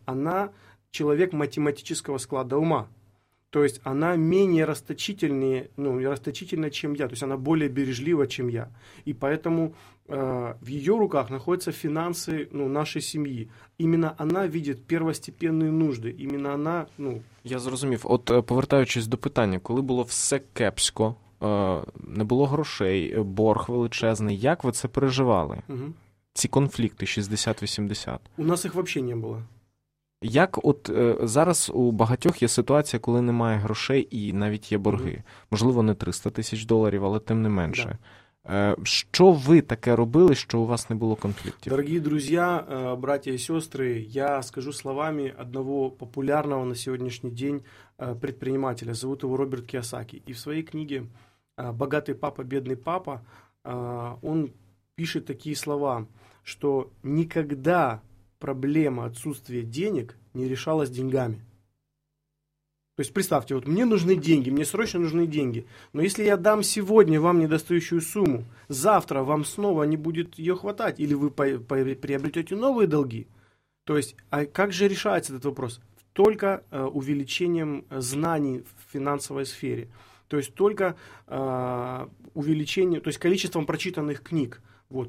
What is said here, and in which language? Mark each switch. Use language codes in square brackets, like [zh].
[ru] Она человек математического склада ума. То есть она менее расточительна, чем я. То есть она более бережлива, чем я. И поэтому в ее руках находятся финансы нашей семьи. Именно она видит первостепенные нужды. Именно она, [uk] Я зрозумів. От повертаючись до питання, коли було все кепсько, не було грошей, борг величезний, як ви це переживали? Угу. Ці конфлікти 60-80? У нас їх взагалі не було. Як от зараз у багатьох є ситуація, коли немає грошей і навіть є борги. Mm-hmm. Можливо, не 300 тисяч доларів, але тим не менше. Yeah. Що ви таке робили, що у вас не було конфліктів? Дорогі друзі, браті і сестри, я скажу словами одного популярного на сьогоднішній день предпринимателя. Зовут його Роберт Кіосакі. І в своїй книгі «Богатий папа, бідний папа» він пише такі слова, що ніколи проблема [ru] отсутствия денег не решалась деньгами. То есть представьте, вот мне нужны деньги, мне срочно нужны деньги, но если я дам сегодня вам недостающую сумму, завтра вам снова не будет ее хватать, или вы приобретете новые долги. То есть, а как же решается этот вопрос? Только увеличением знаний в финансовой сфере. То есть только увеличением, то есть количеством прочитанных книг. Вот.